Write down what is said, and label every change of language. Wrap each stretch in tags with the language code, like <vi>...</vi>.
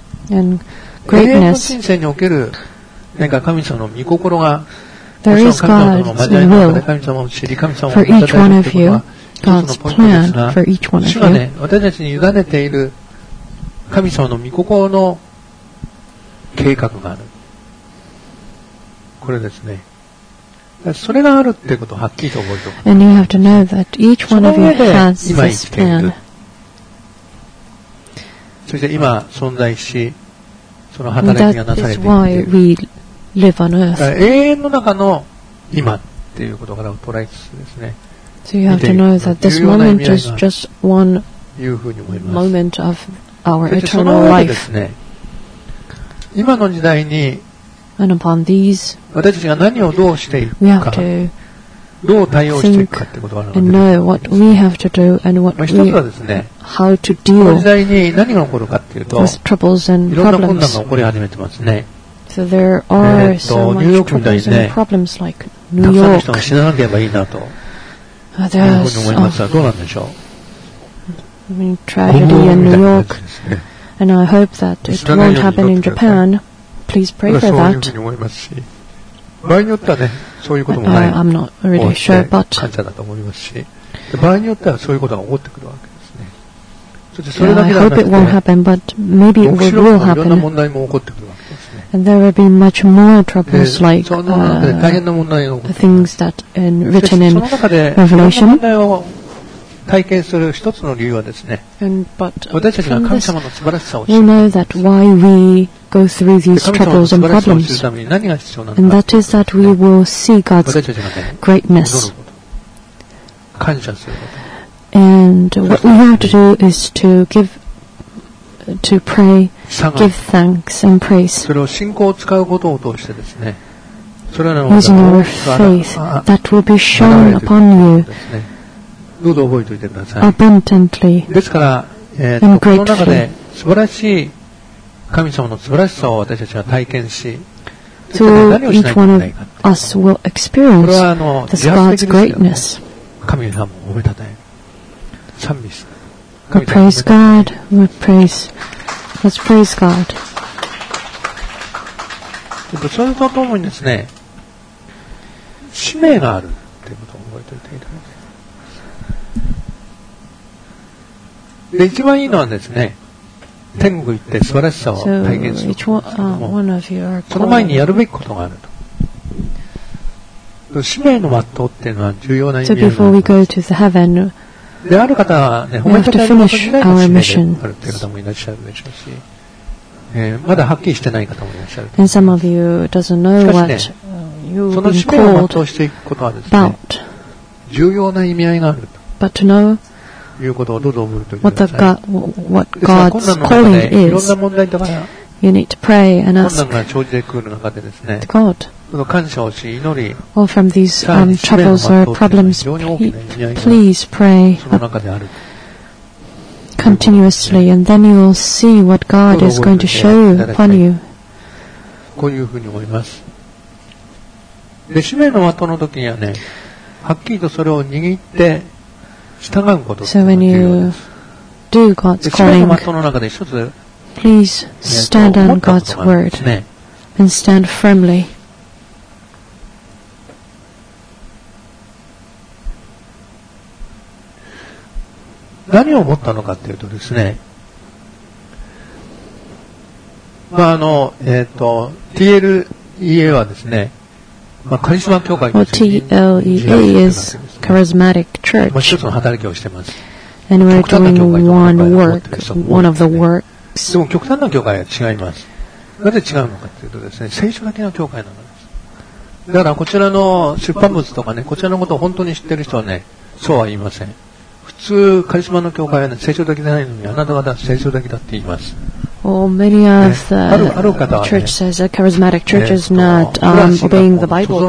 <ja>永遠の神聖における何か神様の御心が、もちろん神様との交わりの中で神様を知り、神様を褒めたたえるということは一つのポイントですが、主がね、私たちに委ねている神様の御心の計画がある。これですね、それがあるってことをはっきりと覚えておく。</ja> <en>And you have to know that each one of you has this plan.</en> <ja>そして今存在し、その働きがなされている。</ja> <en>That is why we live on earth.</en> <ja>永遠の中の今っていうことから捉えつつですね。</ja> <en>So you have to know that this moment is just one moment of our eternal life.</en> <ja>ですね、今の時代に、</ja> <en>And upon these,</en> <ja>私たちが何をどうしていくか、どう対応していくかということがあるので、まあ、一つはですね、 how to deal この時代に何が起こるかというと、いろんな困難が起こり始めてますね。</ja> <en>So there are so much</en> <ja>ニューヨークみたいにね、</ja> <en>problems like、</en> <ja>たくさんの人が死ななければいいなと、というふうに思いますが、どうなんでしょう。</ja> <en>I mean, tragedy in New York, and I hope that it won't happen in Japan. Please pray for that.</en> <ja>そういうふうに思いますし、場合によってはね、そういうこともない。</ja> <en>I'm not really sure, but</en> <ja>感謝だと思いますし、場合によってはそういうことが起こってくるわけですね。そしてそれだけではなくて、</ja> <en>I hope it won't happen, but maybe it will happen. もちろん</en> <ja>いろんな問題も起こってくるわけですね。</ja> <en>And there will be much more troubles like the things that are written in Revelation.</en> <ja>体験する一つの理由はですね、私たちが神様の素晴らしさを</ja> <en>知る。 We know that why we go through these troubles and problems.</en> <ja>神様の素晴らしさを知るために何が必要なのか。</ja> <en>And that is that we will see God's greatness.</en> <ja>感謝すること。</ja> <en>And what we have to do is to give to pray, give thanks and praise.</en> <ja>それを信仰を使うことを通してですね。それは</ja> <en>using your faith that will be shown upon you.</en> <ja>どうぞ覚えておいてください。</ja> <en>Abundantly.</en> <ja>ですから、この中で素晴らしい神様の素晴らしさを私たちは体験し、</ja> <en>so each one of us will experience this God's greatness.</en> <ja>神様を褒めたたえ、賛美する。</ja> <en>We praise God. We praise. Let's praise God.</en> <ja>それとともにですね、使命があるということを覚えておいていただきます。で、一番いいのはですね、天国行って素晴らしさを体験するということですけども、その前にやるべきことがあると。使命の全うっていうのは重要な意味</ja> <en>があります。 So before we go to the heaven,</en> <ja>である方はね、褒めたたえること自体が使命であるという方もいらっしゃるでしょうし、まだはっきりしてない方もいらっしゃると。</ja> <en>And some of you doesn't know what</en> <ja>しかしね、その使命を全うしていくことはですね、重要な意味合いがあるということをどうぞ覚えておいてください。困難の中でいろんな問題とか、</ja> <en>you need to pray and ask</en> <ja>困難が生じてくる中でですね、</ja> <en>God.</en> <ja>感謝をし祈り、</ja> <en>all from these troubles or problems, please pray continuously, and then you will see what God is going to show you upon you.</en> <ja>こういうふうに思います。で、使命の的の時にはね、はっきりとそれを握って従うことが重要です。</ja> <en>So when you do God's calling, please stand on God's word and stand firmly.</en> <ja>何を思ったのかというとですね、まあ、TLEA はですね、まあ、カリスマ教会として</ja> <en>、well, TLEA is charismatic church.</en> <ja>一つの働きをしています。</ja> <en>And we're doing one work, one of the works.</en> <ja>でも極端な教会は違います。なぜ違うのかというとですね、聖書的な教会なのです。だからこちらの出版物とかね、こちらのことを本当に知っている人はね、そうは言いません。普通カリスマの教会は聖書的じゃないのにあなた方は聖書的だって言います。</ja> <en>Many of the church says a charismatic church is not obeying the Bible.</en>